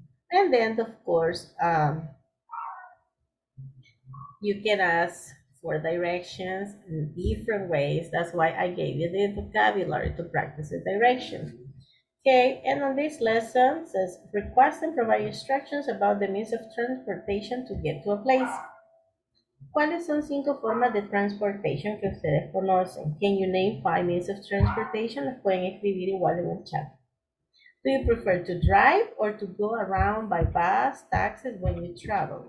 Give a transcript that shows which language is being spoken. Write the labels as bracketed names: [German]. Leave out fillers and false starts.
[English] And then, of course, you can ask for directions in different ways. That's why I gave you the vocabulary to practice the direction. Okay, and on this lesson, it says request and provide instructions about the means of transportation to get to a place. [Spanish] ¿Cuáles son cinco formas de transportación que ustedes conocen? [English] Can you name five means of transportation? [Spanish] Las pueden escribir igual en el chat. [English] Do you prefer to drive or to go around by bus, taxis when you travel?